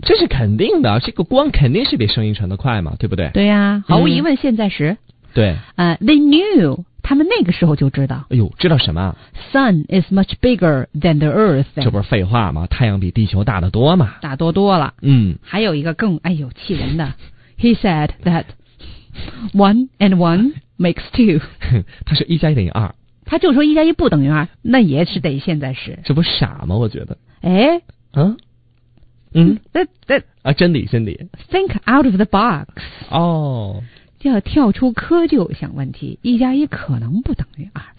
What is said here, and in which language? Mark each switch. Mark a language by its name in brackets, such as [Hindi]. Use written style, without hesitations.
[Chinese] 这是肯定的，这个光肯定是比声音传得快嘛，对不对？对呀、啊，毫无疑问现在时。对， [English] they knew， [Chinese] 他们那个时候就知道。哎呦，知道什么 [English] ？Sun is much bigger than the Earth。 [Chinese] 这不是废话吗？太阳比地球大得多嘛。大多多了。嗯。还有一个更，哎呦，气人的。 [English] He said that one and one makes two。 [Chinese] 他说一加一等于二。他就说一加一不等于二，那也是得现在时。这不傻吗？我觉得。哎。啊。嗯。那啊，真理真理。 [English] Think out of the box。哦。 [Chinese] 要跳出窠臼想问题，一加一可能不等于二。